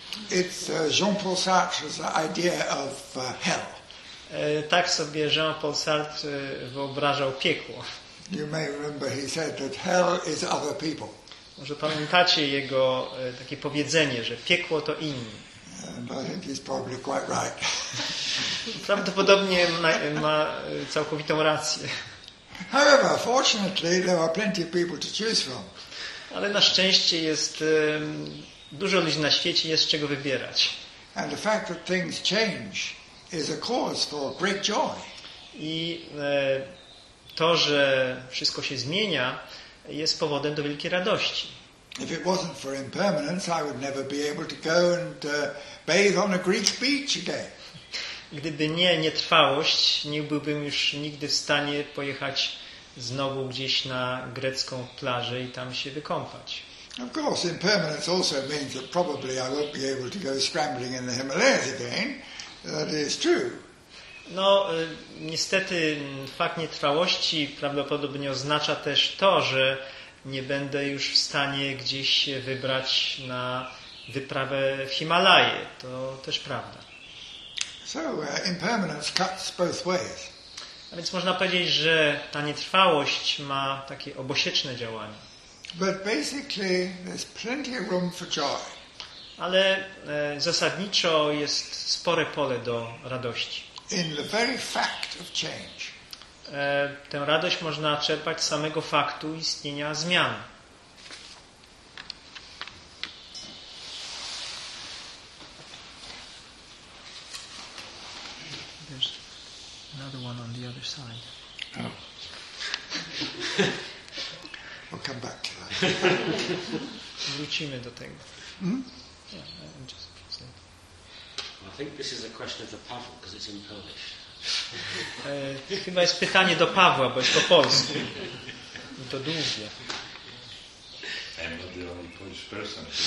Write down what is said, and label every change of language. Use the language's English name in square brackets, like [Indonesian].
[English] It's Jean-Paul Sartre's idea of hell. [Polish] Tak sobie Jean-Paul Sartre wyobrażał piekło. [English] You may remember he said that hell is other people. [Polish] Może pamiętacie jego takie powiedzenie, że piekło to inni. [English] I think he's probably quite right. [Polish] Prawdopodobnie ma całkowitą rację. [English] However, fortunately, there are plenty of people to choose from. [Polish] Ale na szczęście jest dużo ludzi na świecie, jest z czego wybierać. [English] And the fact that things change is a cause for great joy. [Polish] I to, że wszystko się zmienia, jest powodem do wielkiej radości. [English] If it wasn't for impermanence, I would never be able to go and bathe on a Greek beach again. [Polish] Gdyby nie nietrwałość, nie byłbym już nigdy w stanie pojechać znowu gdzieś na grecką plażę i tam się wykąpać. [English] Of course, impermanence also means that probably I won't be able to go scrambling in the Himalayas again. That is true. [Polish] No, niestety fakt nietrwałości prawdopodobnie oznacza też to, że nie będę już w stanie gdzieś się wybrać na wyprawę w Himalaje. To też prawda. [English] So, impermanence cuts both ways. [Polish] A więc można powiedzieć, że ta nietrwałość ma takie obosieczne działanie. [English] But basically, there's plenty of room for joy. [Polish] Ale zasadniczo jest spore pole do radości. [English] In the very fact of change. [Polish] Tę radość można czerpać z samego faktu istnienia zmian. [English] There's another one on the other side. Oh. We'll come back to that. [Polish] Wrócimy do tego. [English] I think this is a question of the Pavel, because it's in Polish. [Polish] Chyba jest pytanie do Pawła, bo jest po polsku. I to długie. [English] I'm not the only Polish person.